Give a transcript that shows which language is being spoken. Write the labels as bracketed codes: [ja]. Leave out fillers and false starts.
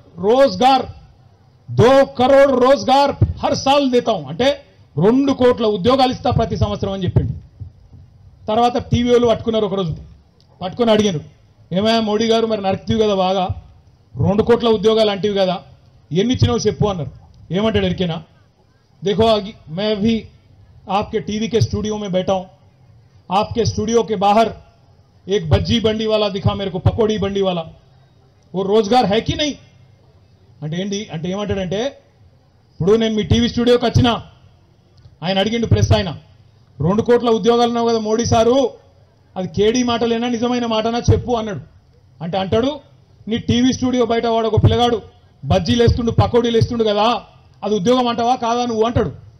[hi] 2 crore Rozgar her సాల్ దీతం [te] అంటే 2 కోట్ల ఉద్యోగాలు ఇస్తా ప్రతి సంవత్సరం అని చెప్పిండు తర్వాత టీవీలు పట్టుకున్నారు ఒకరోజు పట్టుకొని అడిగారు ఏమయ్యా మోడీ గారు మరి నరికితివి కదా బాగా 2 కోట్ల ఉద్యోగాలు అంటివి కదా ఎన్నిచ్చినావు చెప్పు అన్నారు ఏమంటాడు ఎరికేనా [hi] देखो मैं भी आपके टीवी के स्टूडियो में बैठा हूं, आपके स्टूडियो के बाहर एक भज्जी बंडी वाला दिखा मेरे को, पकौड़ी बंडी वाला, वो रोजगार है कि नहीं? [te] अंटे ఇప్పుడు నేను మీ టీవీ స్టూడియోకి వచ్చిన ఆయన అడిగిండు ప్రెస్ ఆయన 2 కోట్ల ఉద్యోగాలు ఉన్నావు కదా మోడీ సారు, అది కేడీ మాటలేనా నిజమైన మాటనా చెప్పు అన్నాడు. అంటే అంటాడు నీ టీవీ స్టూడియో బయట వాడు ఒక పిల్లగాడు బజ్జీలేస్తుండు పకోడీలేస్తుండు కదా అది ఉద్యోగం అంటావా కాదా నువ్వు అంటాడు.